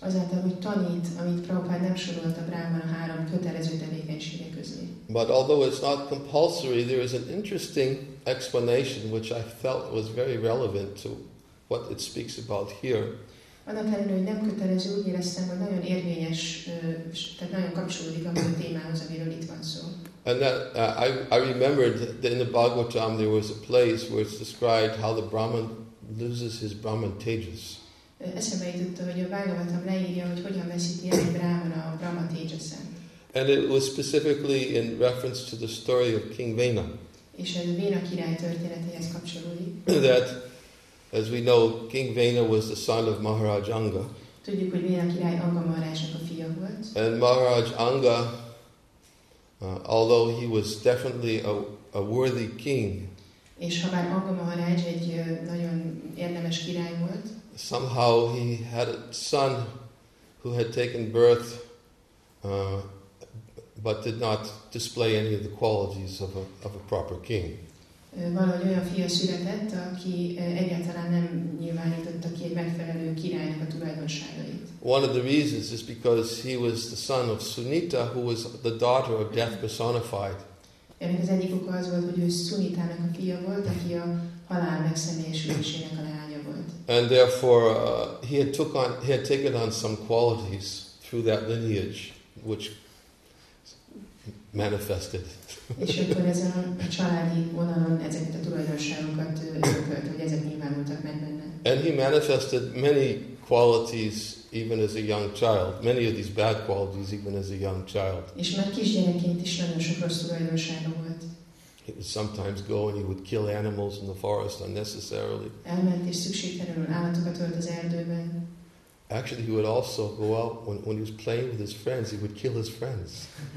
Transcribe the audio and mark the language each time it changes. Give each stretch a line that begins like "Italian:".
Hungarian: Azáltal, hogy tanít, amit Prabhupada nem sorolt a Brahman a három kötelező tevékenysége közé.
English: But although it's not compulsory, there is an interesting explanation which I felt was very relevant to what it speaks about here.
Hungarian: Annak ellenére, hogy nem kötelező, úgy éreztem, hogy nagyon érvényes, tehát nagyon kapcsolódik a témához, amiről itt van szó.
English: And that, I remembered that in the Bhagavatam there was a place where it's described how the Brahman loses his Brahman tejas.
Hungarian: Eszembe jutott, hogy a Bhagavatam leírja, hogy hogyan veszíti el a Brahman a Brahman tejasát.
English: And it was specifically in reference to the story of King Vena.
Hungarian: És a Vena király történetéhez kapcsolódik.
English: That, as we know, King Vena was the son of Maharaj Anga.
Hungarian: Tudjuk, hogy Vena király Anga Maharajnak a fia volt.
English: And Maharaj Anga, although he was definitely a worthy king,
Hungarian: és ha bár Anga Maharaj egy nagyon érdemes király volt,
English: somehow he had a son who had taken birth but did not display any of the qualities of a proper king.
Hungarian: Valahogy olyan fia született, aki egyáltalán nem nyilvánította ki egy megfelelő királynak a tulajdonságait.
English: One of the reasons is because he was the son of Sunita, who was the daughter of death personified.
Hungarian: Ennek az egyik oka az volt, hogy ő Sunitának a fia volt, aki a halál megszemélyesülésének a leánya volt.
English: And therefore he had taken on some qualities through that lineage, which manifested.
Hungarian: És akkor ez a családi vonalon ezeket a tulajdonságokat örökölt, hogy ezek nyilvánultak meg benne.
English: And he manifested many qualities even as a young child. Many of these bad qualities even as a young child.
Hungarian: És már kisgyerekként is nagyon sok rossz tulajdonsága volt.
English: He would sometimes go and he would kill animals in the forest unnecessarily.
Hungarian: Elment és szükségtelenül állatokat ölt az erdőben.
English: Actually, he would also go out when he was playing with his friends, he would kill his friends.